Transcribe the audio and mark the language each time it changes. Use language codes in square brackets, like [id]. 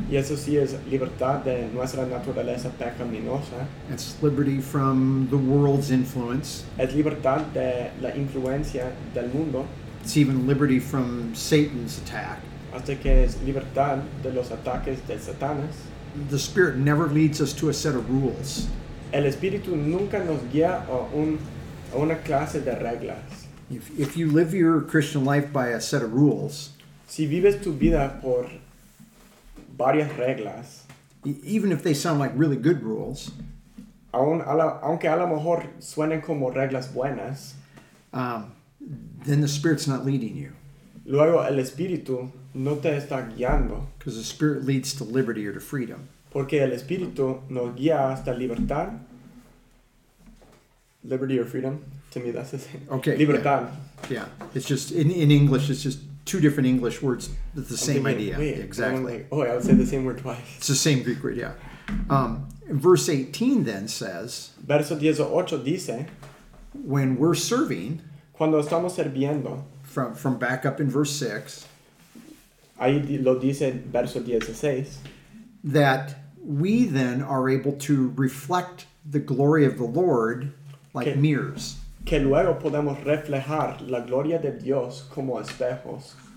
[es] Y eso sí es libertad de nuestra naturaleza pecaminosa. [en] It's liberty from the world's influence. [es] Es libertad de la influencia del mundo. [en] It's even liberty from Satan's attack. [es] Hasta que es libertad de los ataques de Satanás. [en] The Spirit never leads us to a set of rules. [es] El Espíritu nunca nos guía a una clase de reglas. [en] If you live your Christian life by a set of rules, [es] si vives tu vida por varias reglas, [en] even if they sound like really good rules, [es] aunque a lo mejor suenen como reglas buenas, [en] then the Spirit's not leading you. [es] Luego el Espíritu no te está guiando. [en] Because the Spirit leads to liberty or to freedom. [es] Porque el Espíritu nos guía hasta libertad. [en] Liberty or freedom? To me, that's the same. Okay. [es] Libertad. [en] Yeah. Yeah. It's just, in English, it's just two different English words. It's the same idea. Wait, exactly. Like, oh, I would say the same word twice. It's the same Greek word, yeah. Verse 18 then says, [es] verso 18 dice, [en] when we're serving, [es] cuando estamos sirviendo, [en] from back up in verse 6, [es] ahí lo dice verso 16, [en] that we then are able to reflect the glory of the Lord like mirrors. [es] Que luego podemos reflejar la gloria de Dios como espejos.